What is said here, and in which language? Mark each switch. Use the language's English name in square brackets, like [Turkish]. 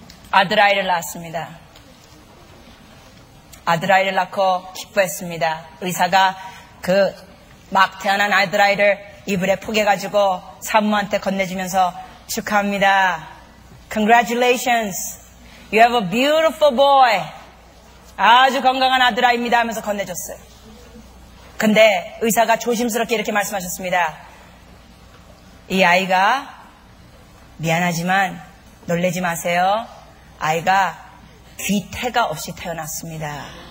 [Korean] 아들 아이를 낳았습니다. 아들 아이를 낳고 기뻐했습니다. 의사가 그 막 태어난 아들 아이를 이불에 포개가지고 산모한테 건네주면서 축하합니다. [English] Congratulations. You have a beautiful boy. [Korean] 아주 건강한 아들아입니다 하면서 건네줬어요. 근데 의사가 조심스럽게 이렇게 말씀하셨습니다. 이 아이가 미안하지만 놀래지 마세요. 아이가 귀태가 없이 태어났습니다.